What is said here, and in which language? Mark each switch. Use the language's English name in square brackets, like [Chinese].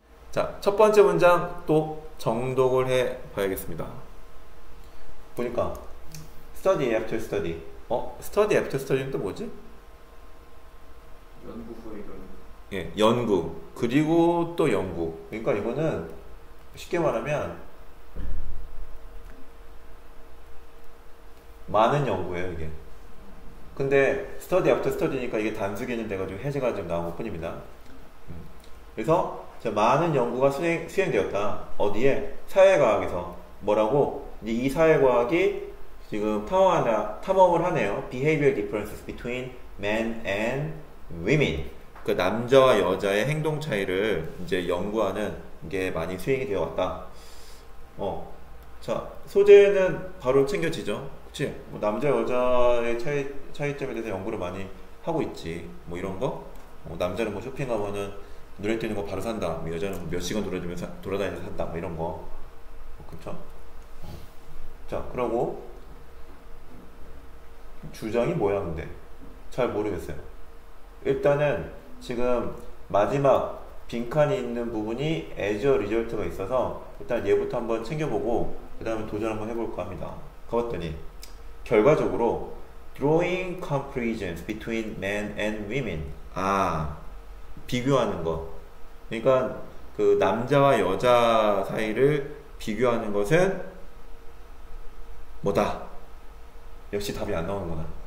[Korean] 자, 첫 번째 문장 또 정독을 해 봐야겠습니다. 보니까 [English] study after study. [Korean] 스터디 애프터 스터디는 또 뭐지? 연구 후의 이론. 예, 연구. 그리고 또 연구. 그러니까 이거는 쉽게 말하면 많은 연구예요, 이게. 근데 [English] study after study [Korean] 니까 이게 단수 개념 돼가지고 해제가 지금 나온 것뿐입니다. 그래서 많은 연구가 수행되었다. 어디에? 사회과학에서. 뭐라고? 이제 이 사회과학이 지금 탐험을 하네요. [English] Behavior differences between men and women. [Korean] 그 남자와 여자의 행동 차이를 이제 연구하는 게 많이 수행이 되어 왔다. 자, 소재는 바로 챙겨지죠. 그치? 뭐 남자 여자의 차이점에 대해서 연구를 많이 하고 있지. 뭐 이런 거? 남자는 뭐 쇼핑 가면은 눈에 띄는 거 바로 산다. 뭐 여자는 몇 시간 돌아다니면서 산다. 뭐 이런 거. 그쵸? 자, 그러고 주장이 뭐야, 근데? 잘 모르겠어요. 일단은 지금 마지막 빈칸이 있는 부분이 [English] as a result [Korean] 가 있어서 일단 얘부터 한번 챙겨보고 그 다음에 도전 한번 해볼까 합니다. 가봤더니 결과적으로 [English] drawing comparisons between men and women. [Korean] 아, 비교하는 거. 그러니까 그 남자와 여자 사이를 비교하는 것은 뭐다? 역시 답이 안 나오는구나.